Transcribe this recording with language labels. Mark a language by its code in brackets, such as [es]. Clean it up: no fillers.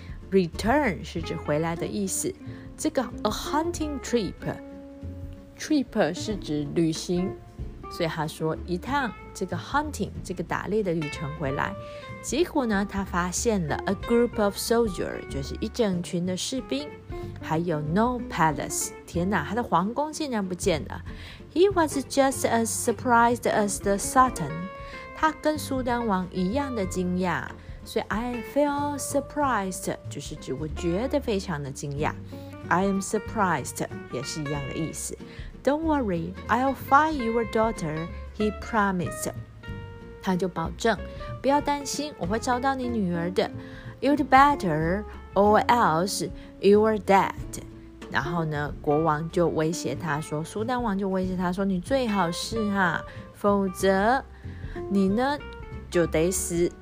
[zh] Return 是指回来的意思。这个 [en] a hunting trip [zh] 是指旅行，所以他说一趟这个 hunting 这个打猎的旅程回来，结果呢他发现了 [en] a group of soldiers [zh] 就是一整群的士兵，还有 [en] no palace [zh] T 天哪，他的皇宫竟然不见了。 [en] He was just as surprised as the Sultan. [zh] 他跟苏丹王一样的惊讶。所以 [en] I feel surprised [zh] 就是指我觉得非常的惊讶。 [en] I am surprised [zh] 也是一样的意思。 [en] Don't worry, I'll find your daughter, he promised. [zh] 他就保证，不要担心，我会找到你女儿的。 [en] You'd better, or else you're dead. [zh] 然后呢，国王就威胁他说，苏丹王就威胁他说，你最好是哈，否则你呢就得死。